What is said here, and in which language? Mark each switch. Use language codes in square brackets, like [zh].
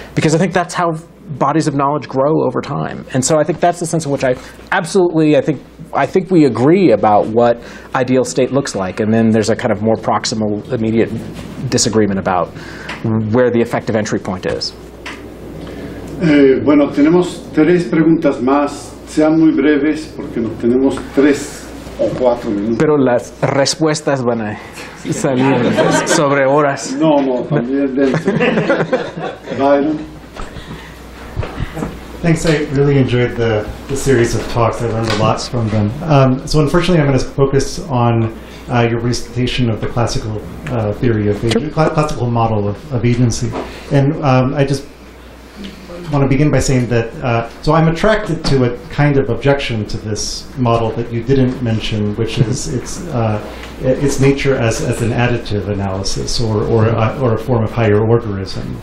[en] Because I think that's how bodies of knowledge grow over time. And so I think that's the sense in which I think we agree about what ideal state looks like. And then there's a kind of more proximal, immediate disagreement about where the effective entry point is. [es] Bueno, tenemos tres preguntas más. Sean muy breves, porque nos tenemos tres o cuatro minutos. Pero las respuestas van a salir sobre horas. No, también dentro. [en] Thanks, I really enjoyed the series of talks. I learned a lot from them. So unfortunately, I'm going to focus on your presentation of the classical theory of agency, classical model of agency. And I just want to begin by saying that, so I'm attracted to a kind of objection to this model that you didn't mention, which is its nature as an additive analysis or a form of higher orderism.